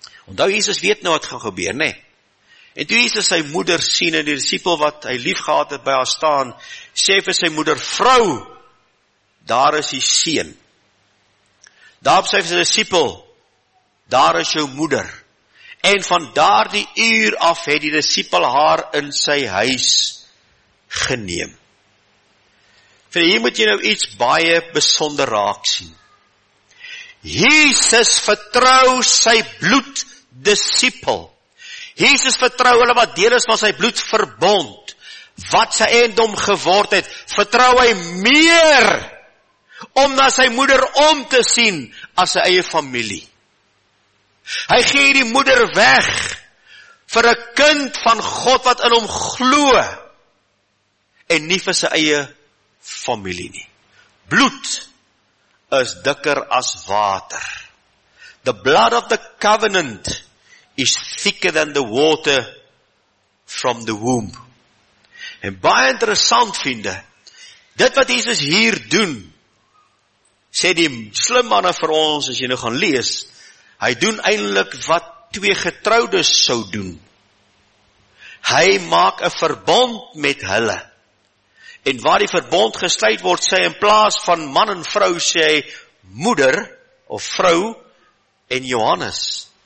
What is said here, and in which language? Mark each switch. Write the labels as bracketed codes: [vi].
[af] Onthou Jesus weet nou wat gaan gebeur, nê? En toe Jesus sy moeder sien en die disipel wat hy lief gehad het by haar staan, sê vir sy moeder, vrou, daar is die seun. Daarop sê vir sy disipel, daar is jou moeder. En van daardie uur af het die disipel haar in sy huis geneem. Vir hier moet jy nou iets baie besonder raak sien. Jesus vertrou sy bloed disipel. Jesus vertrou hulle wat deel is van sy bloed verbond, wat sy eiendom geword het, vertrou hy meer om na sy moeder om te sien as sy eie familie. Hy gee die moeder weg vir 'n kind van God wat in hom glo en nie vir sy eie familie nie. Bloed is dikker as water. [en] The blood of the covenant is thicker than the water from the womb. [af] En baie interessant vriende, dit wat Jesus hier doen, sê die slim manne vir ons, as jy nou gaan lees, hy doen eindelijk wat twee getroudes sou doen. Hy maak 'n verbond met hulle. En waar die verbond gesluit word, sê in plaas van man en vrou, sê moeder of vrou en Johannes.